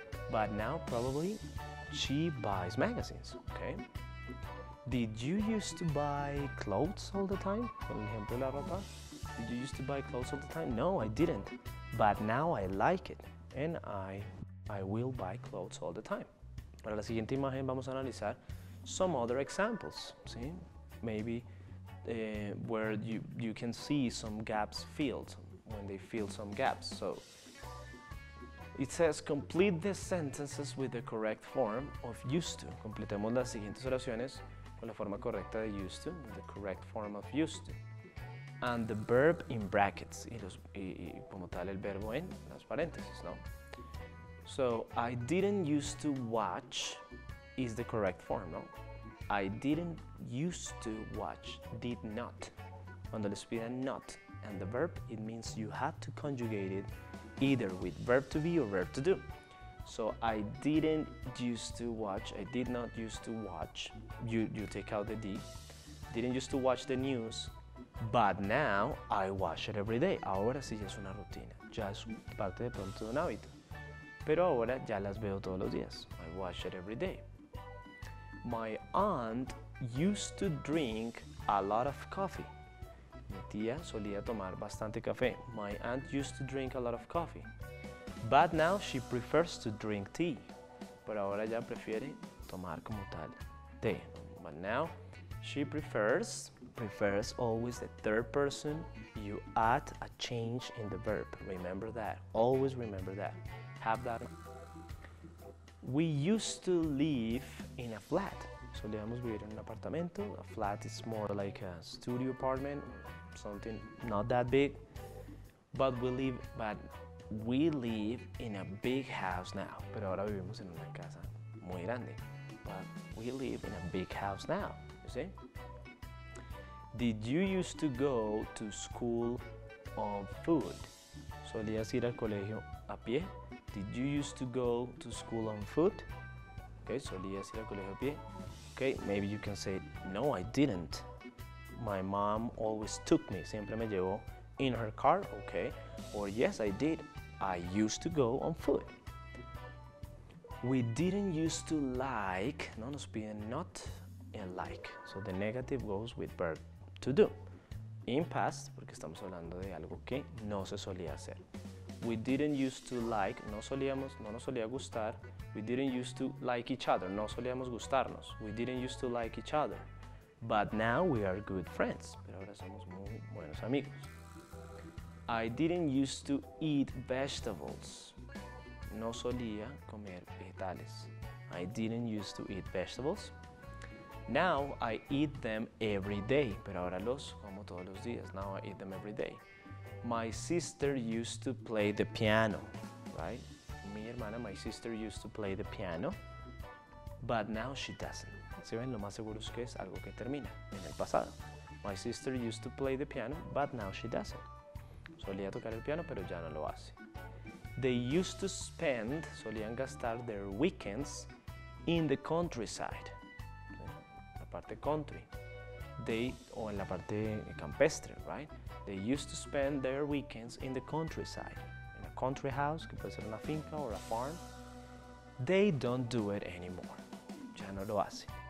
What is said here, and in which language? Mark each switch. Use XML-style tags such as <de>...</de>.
<en>But now probably she buys magazines, okay? Did you used to buy clothes all the time?</en> <es>Por ejemplo, la ropa.</es> <en>Did you used to buy clothes all the time? No, I didn't. But now I like it. And I will buy clothes all the time.</en> <es>Para la siguiente imagen vamos a analizar</es> <en>some other examples. See? Maybe where you can see some gaps filled, when they fill some gaps. So it says complete the sentences with the correct form of used to.</en> <es>Completemos las siguientes oraciones con la forma correcta de used to,</es> <en>the correct form of used to. And the verb in brackets,</en> <es>y como tal el verbo en las paréntesis, ¿no?</es> <en>So, I didn't used to watch is the correct form, ¿no? I didn't used to watch, did not.</en> <es>Cuando les piden</es> <en>not, and the verb, it means you have to conjugate it either with verb to be or verb to do. So I didn't used to watch, I did not used to watch, you take out the D, didn't used to watch the news, but now I watch it every day.</en> <es>Ahora sí es una rutina, ya es parte de pronto de un hábito. Pero ahora ya las veo todos los días.</es> <en>I watch it every day. My aunt used to drink a lot of coffee.</en> <es>Mi tía solía tomar bastante café.</es> <en>My aunt used to drink a lot of coffee. But now she prefers to drink tea.</en> <es>Pero ahora ya prefiere tomar como tal té.</es> <en>But now she prefers always the third person. You add a change in the verb. Remember that. Always remember that. Have that. We used to live in a flat.</en> <es>Solíamos vivir en un apartamento.</es> <en>A flat is more like a studio apartment, something not that big. But we live in a big house now.</en> <es>Pero ahora vivimos en una casa muy grande.</es> <en>But we live in a big house now, you see? Did you used to go to school on foot?</en> <es>¿Solías ir al colegio a pie?</es> <en>Did you used to go to school on foot? Okay,</en> <es>¿solías ir al colegio a pie?</es> <en>Okay, maybe you can say, no, I didn't. My mom always took me,</en> <es>siempre me llevó</es> <en>in her car, okay. Or yes, I did. I used to go on foot. We didn't used to like,</en> <es>no nos piden</es> <en>not and like. So the negative goes with verb to do. In past,</en> <es>porque estamos hablando de algo que no se solía hacer.</es> <en>We didn't used to like,</en> <es>no solíamos, no nos solía gustar.</es> <en>We didn't used to like each other,</en> <es>no solíamos gustarnos.</es> <en>We didn't used to like each other. But now we are good friends.</en> <es>Pero ahora somos muy buenos amigos.</es> <en>I didn't used to eat vegetables.</en> <es>No solía comer vegetales.</es> <en>I didn't used to eat vegetables. Now I eat them every day.</en> <es>Pero ahora los como todos los días.</es> <en>Now I eat them every day. My sister used to play the piano, right?</en> <es>Mi hermana,</es> <en>my sister used to play the piano, but now she doesn't.</en> <es>¿Sí ven? Lo más seguro es que es algo que termina en el pasado.</es> <en>My sister used to play the piano, but now she doesn't.</en> <es>Solía tocar el piano, pero ya no lo hace.</es> <en>They used to spend,</en> <es>solían gastar</es> <en>their weekends in the countryside. La parte country.</en> <es>En la parte campestre,</es> <en>right? They used to spend their weekends in the countryside. In a country house,</en> <es>que puede ser una finca</es> <en>or a farm. They don't do it anymore.</en> <es>Ya no lo hacen.</es>